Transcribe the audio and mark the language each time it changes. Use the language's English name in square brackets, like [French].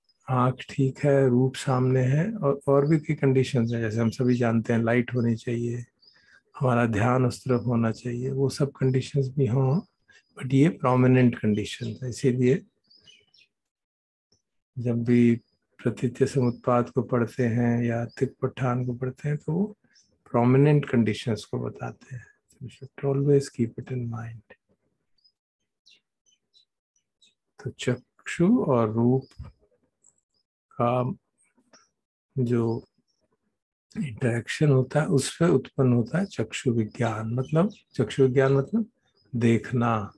[Hindi] आंख ठीक है, रूप सामने है, और भी कई कंडीशंस है, जैसे हम सभी जानते हैं लाइट होनी चाहिए, हमारा ध्यान उस तरफ होना चाहिए, वो सब कंडीशंस भी हों, बट ये प्रोमिनेंट कंडीशन है। इसीलिए जब भी प्रतीत समुत्पाद को पढ़ते हैं या तिक पठान को पढ़ते हैं तो वो प्रोमिनेंट कंडीशंस को बताते हैं। [English] So we should always keep it in mind. [Hindi] तो चक्षु और रूप का जो इंटरेक्शन होता है उसपे उत्पन्न होता है चक्षु विज्ञान। मतलब चक्षु विज्ञान मतलब देखना।